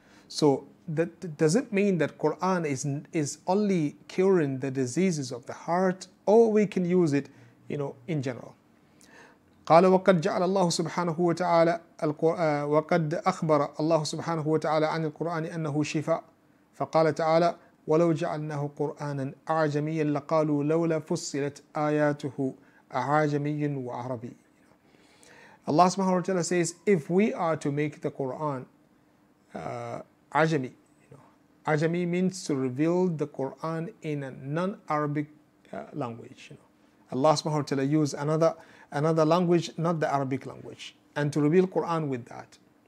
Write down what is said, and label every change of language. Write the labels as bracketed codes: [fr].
[en] So that does it mean that Quran is only curing the diseases of the heart, or we can use it, you know, in general? [ar] قال وقد جعل الله سبحانه وتعالى وقد أخبر الله سبحانه وتعالى عن القرآن أنه شفاء فقال تعالى ولو جعلناه قرآنا أعجميا لقالوا لولا فصلت آياته أعجمي وعربي. [en] Allah subhanahu wa ta'ala says, if we are to make the Quran Ajami, Ajami means to reveal the Quran in a non-Arabic language. You know, Allah subhanahu wa ta'ala used another language, not the Arabic language, and to reveal Quran with that.